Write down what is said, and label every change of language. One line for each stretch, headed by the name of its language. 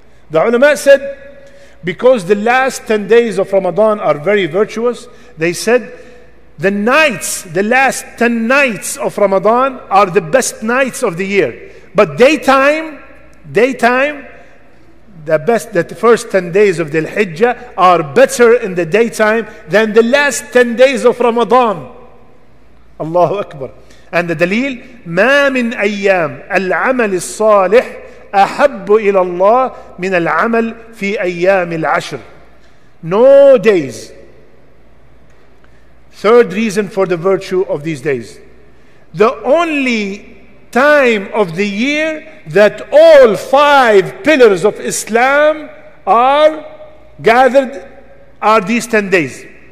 English: The ulama said, because the last 10 days of Ramadan are very virtuous, they said the nights, the last 10 nights of Ramadan are the best nights of the year. But daytime, the best, that the first 10 days of the Hijjah are better in the daytime than the last 10 days of Ramadan. Allahu Akbar.
Arabic: And the dalil, ما من أيام العمل الصالح أحب إلى الله من العمل في أيام العشر.
English: No days. Third reason for the virtue of these days. The only time of the year that all five pillars of Islam are gathered are these 10 days.